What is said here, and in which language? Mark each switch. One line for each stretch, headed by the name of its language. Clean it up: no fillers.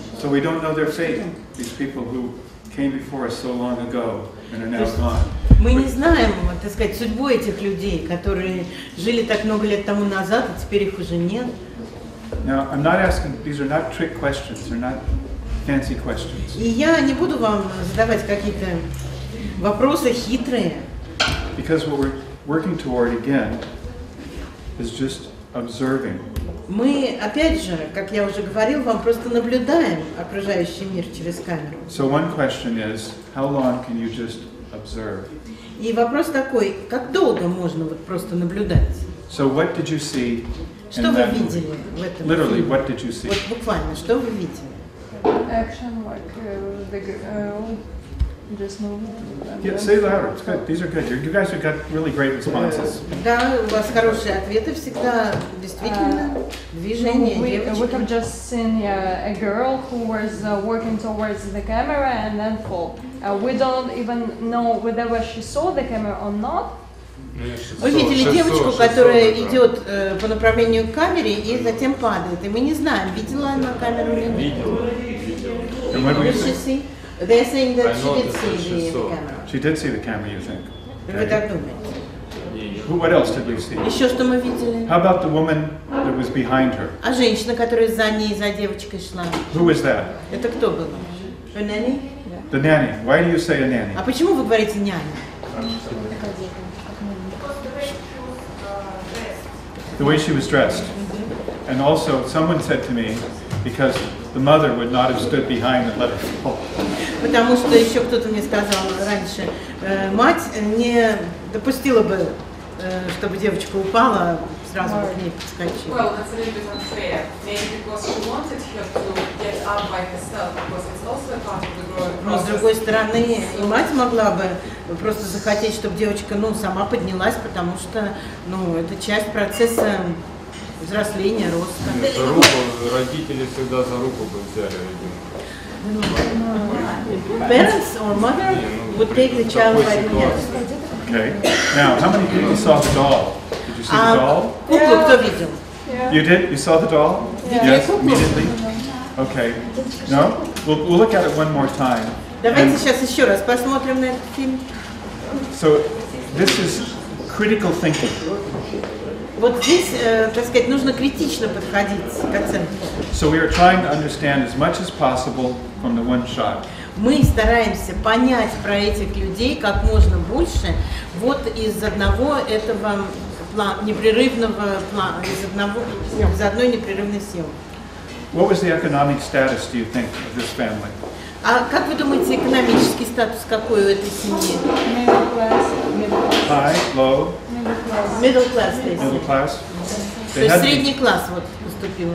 English: We don't know their fate, these people who came before us so long ago and are now gone.
Russian: Мы не знаем, так сказать, судьбу этих людей, которые жили так много лет тому назад, а теперь их уже нет.
English: Now, I'm not asking, these are not trick questions, they're not fancy questions.
Russian: И я не буду вам задавать какие-то вопросы хитрые.
English: Because what we're working toward again is just observing.
Russian: Мы опять же, как я уже говорил, вам просто наблюдаем окружающий мир через камеру.
English: So one question is, how long can you just observe?
Russian: И вопрос такой, как долго можно вот просто наблюдать?
English: So what did you see?
Russian: Что вы видели в этом фильме?
English: Literally, what did you see?
Russian: Вот буквально, что вы видели?
English: Action, like, just movement. Yeah, say louder. It's good. These are good. You guys have got really great responses.
Russian: Да, у вас хорошие ответы всегда. Действительно, движение девочки.
English: We have just seen a girl who was working towards the camera and then fall. We don't even know whether she saw the camera or not.
Russian: Вы видели девочку, которая идет по направлению к камере и затем падает. И мы не знаем, видела она камеру или нет. Видела.
English: And what did she see? They're saying that she did see the camera. She did see the camera, you think?
Russian: Вы так думаете?
English: What else did we see?
Russian: Еще что мы видели?
English: How about the woman that was behind her?
Russian: А женщина, которая за ней, за девочкой шла?
English: Who was that?
Russian: Это кто была?
English: Her nanny? The nanny. Why do you say a nanny?
Russian: А почему вы говорите няня?
English: The way she was dressed. And also, someone said to me, because the mother would not have stood behind and let her fall.
Russian: Потому что еще кто-то мне сказал раньше, мать не допустила бы, чтобы девочка упала, сразу бы к ней подскочила.
English: Well, that's a little bit unfair. Maybe because she wanted her to get up by herself, because it's also a part of the growing process.
Russian: Но с другой стороны, и мать могла бы просто захотеть, чтобы девочка, ну, сама поднялась, потому что, ну, это часть процесса взросления, роста. За руку, родители всегда за руку бы взяли ребенка.
English: Parents or mother would take the child by the hand. Okay. Now, how many people saw the doll? Did you see the doll?
Russian: Куклу кто видел?
English: You did? You saw the doll? Yeah. Yes, immediately? Okay. No? We'll look at it one more time.
Russian: Давайте сейчас еще раз посмотрим на этот фильм.
English: So, this is critical thinking.
Russian: Вот здесь, так сказать, нужно критично подходить к оценке.
English: So we are trying to understand as much as possible from the one shot.
Russian: Мы стараемся понять про этих людей как можно больше вот из одного этого плана, непрерывного плана, из одной непрерывной съемки.
English: What was the economic status, do you think, of this family?
Russian: А как вы думаете, экономический статус какой у этой семьи?
English: Middle class. High, low? Middle class. Middle class. Middle class.
Russian: То есть средний класс вот поступил.